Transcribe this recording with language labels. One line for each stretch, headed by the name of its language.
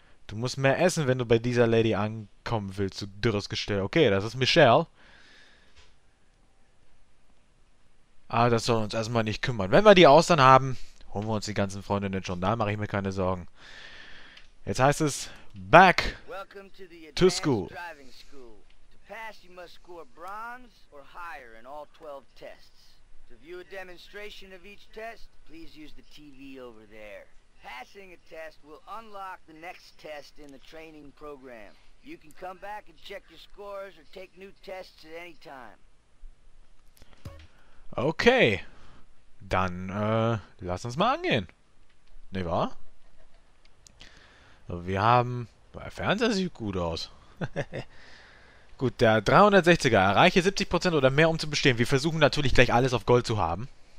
German: Du musst mehr essen, wenn du bei dieser Lady ankommen willst, du dürres Gestell. Okay, das ist Michelle. Ah, das soll uns erstmal nicht kümmern. Wenn wir die Austern haben, holen wir uns die ganzen Freundinnen schon. Da mache ich mir keine Sorgen. Jetzt heißt es,
English: back to school. To pass, you must score bronze or higher in all 12 tests. To view a demonstration of each test, please use the TV over there. Passing a test will unlock the next test in the training program. You can come back and check your scores or take new tests at any time.
German: Okay, dann lass uns mal angehen. Ne, wahr? So, wir haben... Der Fernseher sieht gut aus. Gut, der 360er. Erreiche 70% oder mehr, um zu bestehen. Wir versuchen natürlich gleich alles auf Gold zu haben.